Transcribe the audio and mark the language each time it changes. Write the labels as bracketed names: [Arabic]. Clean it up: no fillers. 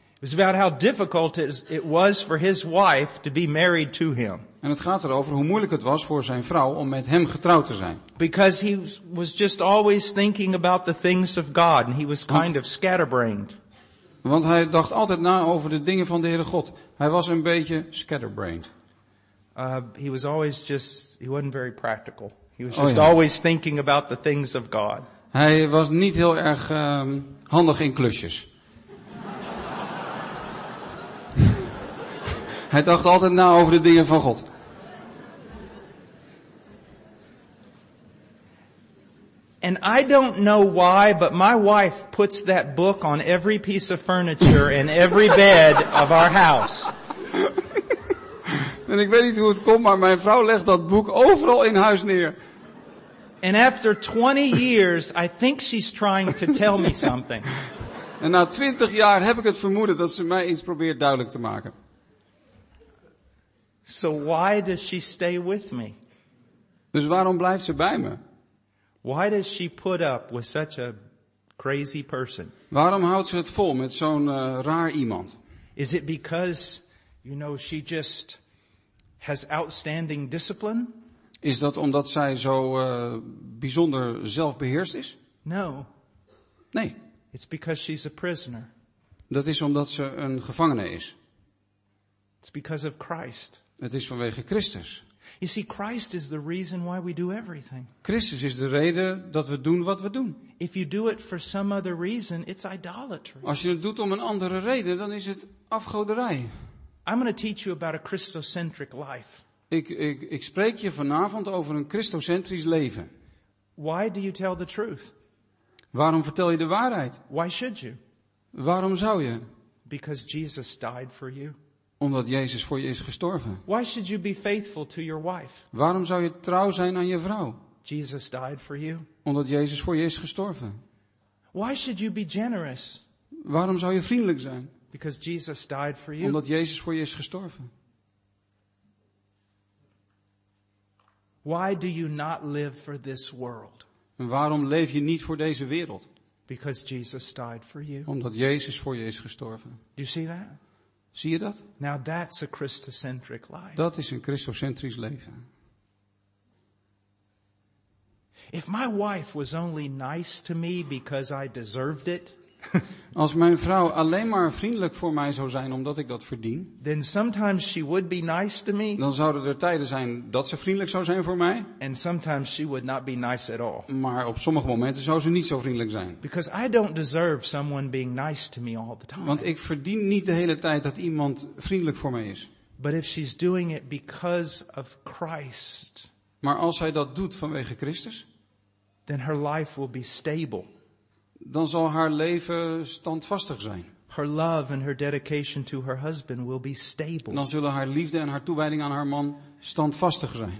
[English] It's about how difficult it was for his wife to be married to him. [Dutch] En het gaat erover hoe moeilijk het was voor zijn vrouw om met hem getrouwd te zijn. [English] Because he was just always thinking about the things of God and he was kind of scatterbrained. [Dutch] Want hij dacht altijd na over de dingen van de Heere God. Hij was een beetje scatterbrained. [English] He was always just, he wasn't very practical. He was just always thinking about the things of God. [Dutch] Hij was niet heel erg handig in klusjes. Hij dacht altijd na over de dingen van God. [English] And I don't know why, but my wife puts that book on every piece of furniture and every bed of our house. [Dutch] En ik weet niet hoe het komt, maar mijn vrouw legt dat boek overal in huis neer. [English] And after 20 years, I think she's trying to tell me something. [Dutch] En na 20 jaar heb ik het vermoeden dat ze mij iets probeert duidelijk te maken. [English] So why does she stay with me? [Dutch] Dus waarom blijft ze bij me? [English] Why does she put up with such a crazy person? [Dutch] Waarom houdt ze het vol met zo'n raar iemand? [English] Is it because, you know, she just has outstanding discipline? [Dutch] Is dat omdat zij zo bijzonder zelfbeheerst is? [English] No. [Dutch] Nee. [English] It's because she's a prisoner. [Dutch] Dat is omdat ze een gevangene is. [English] It's because of Christ. [Dutch] Het is vanwege Christus. [English] You see, Christ is the reason why we do everything. [Dutch] Christus is de reden dat we doen wat we doen. [English] If you do it for some other reason, it's idolatry. [Dutch] Als je het doet om een andere reden, dan is het afgoderij. [English] I'm going to teach you about a Christocentric life. [Dutch] Ik spreek je vanavond over een Christocentrisch leven. [English] Why do you tell the truth? [Dutch] Waarom vertel je de waarheid? [English] Why should you? [Dutch] Waarom zou je? [English] Because Jesus died for you. [Dutch] Omdat Jezus voor je is gestorven. [English] Why should you be faithful to your wife? [Dutch] Waarom zou je trouw zijn aan je vrouw? [English] Jesus died for you. [Dutch] Omdat Jezus voor je is gestorven. [English] Why should you be generous? [Dutch] Waarom zou je vriendelijk zijn? [English] Because Jesus died for you. [Dutch] Omdat Jezus voor je is gestorven. [English] Why do you not live for this world? [Dutch] En waarom leef je niet voor deze wereld? [English] Because Jesus died for you. [Dutch] Omdat Jezus voor je is gestorven. [English] Do you see that? [Dutch] Zie je dat? [English] Now that's a Christocentric life. [Dutch] Dat is een Christocentrisch leven. [English] If my wife was only nice to me because I deserved it. [Dutch] Als mijn vrouw alleen maar vriendelijk voor mij zou zijn omdat ik dat verdien. [English] Then sometimes she would be nice to me. [Dutch] Dan zouden er tijden zijn dat ze vriendelijk zou zijn voor mij. [English] And sometimes she would not be nice at all. [Dutch] Maar op sommige momenten zou ze niet zo vriendelijk zijn. [English] Because I don't deserve someone being nice to me all the time. [Dutch] Want ik verdien niet de hele tijd dat iemand vriendelijk voor mij is. [English] But if she's doing it because of Christ. [Dutch] Maar als zij dat doet vanwege Christus. [English] Then her life will be stable. [Dutch] Dan zal haar leven standvastig zijn. [English] Her love and her dedication to her husband will be stable. [Dutch] Dan zullen haar liefde en haar toewijding aan haar man standvastig zijn.